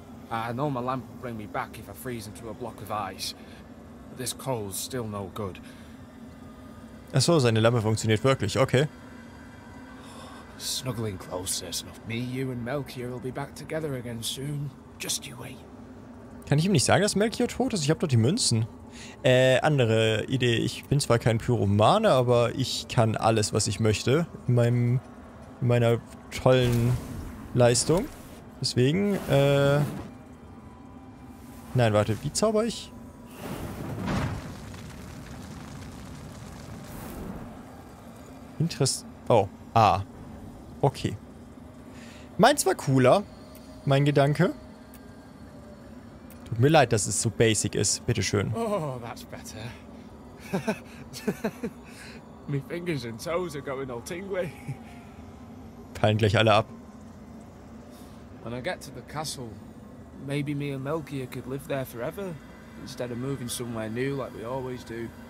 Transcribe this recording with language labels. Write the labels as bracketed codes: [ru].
[en] I know my lamp will bring me back if I freeze into a block of ice. But this cold's still no good. [de] Ach so, seine Lampe funktioniert wirklich, okay. [en] Snuggling closer, Snuff. Me, you and Melchior will be back together again soon. Just you wait. [de] Kann ich ihm nicht sagen, dass Melchior tot ist? Ich hab doch die Münzen. Andere Idee. Ich bin zwar kein Pyromane, aber ich kann alles, was ich möchte. In meiner tollen Leistung. Deswegen, nein, warte, wie zauber ich? Interess. Oh, ah. Okay. Meins war cooler. Mein Gedanke. Tut mir leid, dass es so basic ist. Bitteschön. [en] Oh, that's better. My fingers and toes are going all tingly. [de] Fallen gleich alle ab. [en] When I get to the castle, maybe me and Melchior could live there forever, instead of moving somewhere new like we always do.